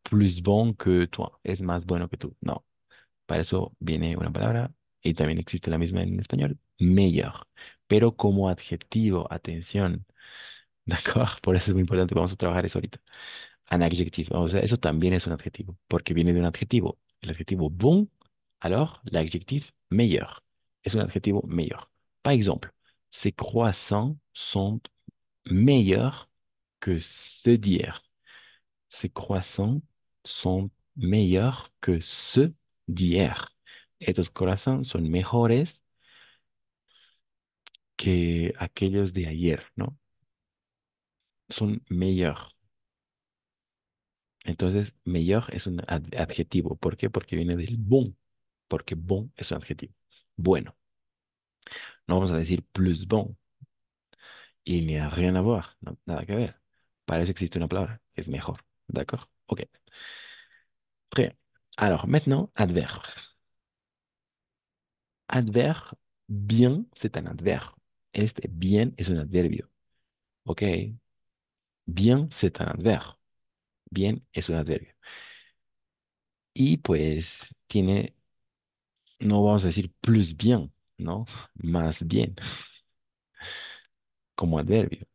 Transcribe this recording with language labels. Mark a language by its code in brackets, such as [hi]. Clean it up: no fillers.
[fr] Plus bon que toi. [es] Es más bueno que tú. No. Para eso viene una palabra. Y también existe la misma en español, meilleur. Pero como adjetivo, atención. ¿D'accord? Por eso es muy importante. Vamos a trabajar eso ahorita. Un adjetivo. O sea, eso también es un adjetivo. Porque viene de un adjetivo. El adjetivo bon, [fr] alors l'adjectif meilleur. [es] Es un adjetivo meilleur. [fr] Par exemple, ces croissants sont meilleurs que ceux d'hier. Ces croissants sont meilleurs que ceux d'hier. [es] Estos corazones son mejores que aquellos de ayer, ¿no? Son mejor. Entonces, mejor es un adjetivo. ¿Por qué? Porque viene del bon. Porque bon es un adjetivo. Bueno. No vamos a decir plus bon. [fr] Il n'y a rien à voir, [es] ¿no? Nada que ver. Para eso existe una palabra. Es mejor. ¿D'accord? Ok. Bien. [fr] Alors, maintenant, adverbe. Adverbe, bien, c'est un adverbe. [es] Este bien es un adverbio. ¿Ok? [fr] Bien, c'est un adverbe. [es] Bien es un adverbio. Y pues tiene, no vamos a decir plus bien, ¿no? Más bien. Como adverbio.